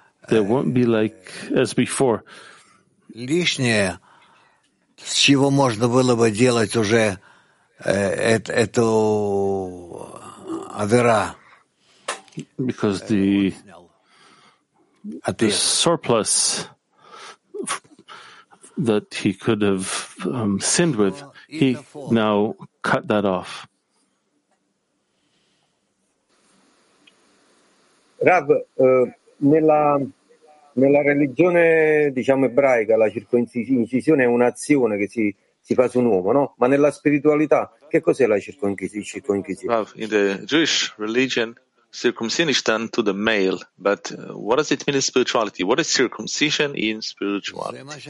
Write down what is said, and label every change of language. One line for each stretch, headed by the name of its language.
English: they won't be like as before.
Russian: Лишнее, с чего можно было бы делать уже эту авера.
English: Because the surplus that he could have sinned with, he now cut that off.
Italian: Rav, nella religione, diciamo ebraica, la circoncisione è un'azione che si fa su un uomo, no? Ma nella spiritualità, che cos'è la circoncisione?
English: Rav, in the Jewish religion, circumcision is done to the male. But what does it mean in spirituality? What is circumcision in spirituality?